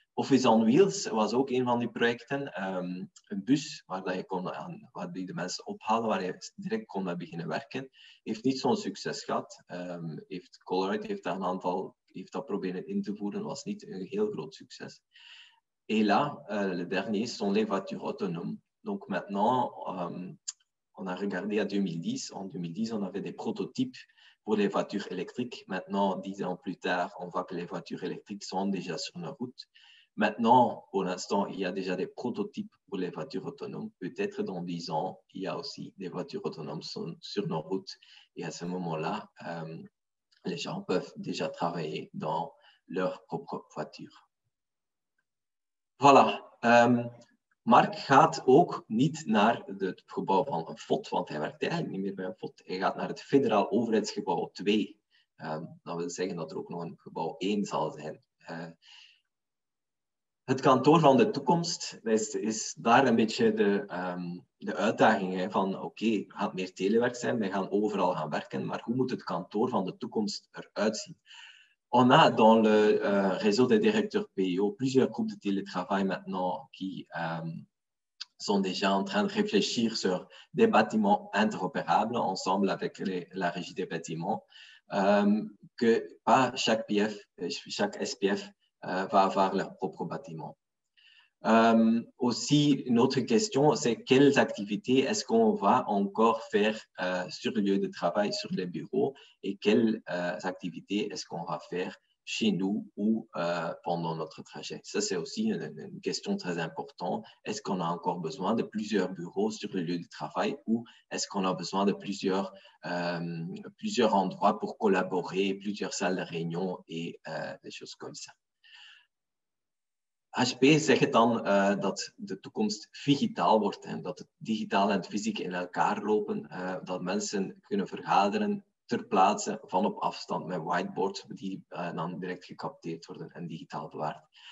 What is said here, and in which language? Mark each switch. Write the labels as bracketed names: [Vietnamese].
[Dutch] Office on Wheels was ook een van die projecten. Een bus waar die de mensen ophalen, waar je direct kon mee beginnen werken, heeft niet zo'n succes gehad. Colruyt heeft dat proberen in te voeren, was niet een heel groot succes. [French] Et là, le dernier, son les voitures autonomes. Donc maintenant, on a regardé à 2010. En 2010, on avait des prototypes pour les voitures électriques. Maintenant, 10 ans plus tard, on voit que les voitures électriques sont déjà sur la route. Maintenant, pour l'instant, il y a déjà des prototypes pour les voitures autonomes. Peut-être dans 10 ans, il y a aussi des voitures autonomes sur nos routes. Et à ce moment-là, les gens peuvent déjà travailler dans leur propre voiture. Voilà. [Dutch] Mark gaat ook niet naar het gebouw van een FOT, want hij werkt eigenlijk niet meer bij een FOT. Hij gaat naar het federaal overheidsgebouw 2. Dat wil zeggen dat er ook nog een gebouw 1 zal zijn. Het kantoor van de toekomst is daar een beetje de uitdaging van oké, het gaat meer telewerk zijn, wij gaan overal gaan werken, maar hoe moet het kantoor van de toekomst eruit zien? [French] On a dans le réseau des directeurs PIO plusieurs groupes de télétravail maintenant qui sont déjà en train de réfléchir sur des bâtiments interopérables ensemble avec la régie des bâtiments, que pas chaque PF, chaque SPF va avoir leur propre bâtiment. Aussi, une autre question, c'est quelles activités est-ce qu'on va encore faire sur lieu de travail, sur les bureaux, et quelles activités est-ce qu'on va faire chez nous ou pendant notre trajet. Ça, c'est aussi une question très importante. Est-ce qu'on a encore besoin de plusieurs bureaux sur le lieu de travail ou est-ce qu'on a besoin de plusieurs endroits pour collaborer, plusieurs salles de réunion et des choses comme ça. [Dutch] HP zegt dan dat de toekomst digitaal wordt, hein? Dat het digitaal en het fysiek in elkaar lopen, dat mensen kunnen vergaderen ter plaatse van op afstand met whiteboards die dan direct gecapteerd worden en digitaal bewaard.